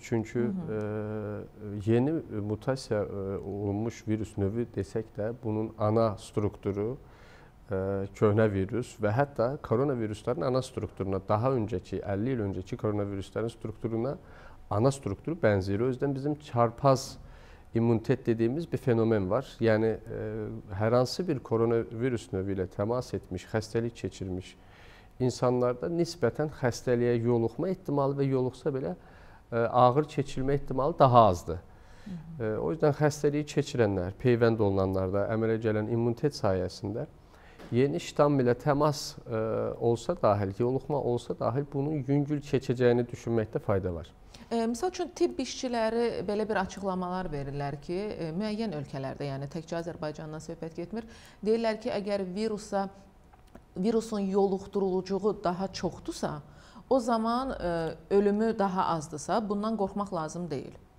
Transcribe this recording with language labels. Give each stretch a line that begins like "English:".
Azerbaijani: Çünki yeni mutasiya olunmuş virus növü desək də, bunun ana strukturu köhnə virus və hətta koronavirusların ana strukturuna, daha öncəki, 50 il öncəki koronavirusların strukturuna ana strukturu bənzəyir.
Turkish: O yüzden bizim çarpaz immunitet dediğimiz bir fenomen var. Yani her hansı bir koronavirüs növüyle temas etmiş, hastalık geçirmiş insanlarda nispeten hastalığa yoluxma ihtimali ve
Azerbaijani: yoluxsa belə
Turkish: ağır geçirme ihtimali daha azdır. O yüzden hastalığı geçirenler,
Azerbaijani: peyvend olunanlarda əmələ gələn
Turkish: immunitet sayesinde yeni ştamm ilə temas olsa dahil, yoluxma olsa dahil bunun
Azerbaijani: yüngül keçəcəyini düşünməkdə
Turkish: fayda var.
Azerbaijani: Misal üçün tibb işçiləri belə bir açıqlamalar verirlər ki, müəyyən ölkələrdə, yəni təkcə Azərbaycandan söhbət getmir, deyirlər ki, əgər virusun yoluxdurulucuğu daha çoxdursa, o zaman ölümü daha azdırsa, bundan qorxmaq lazım deyil.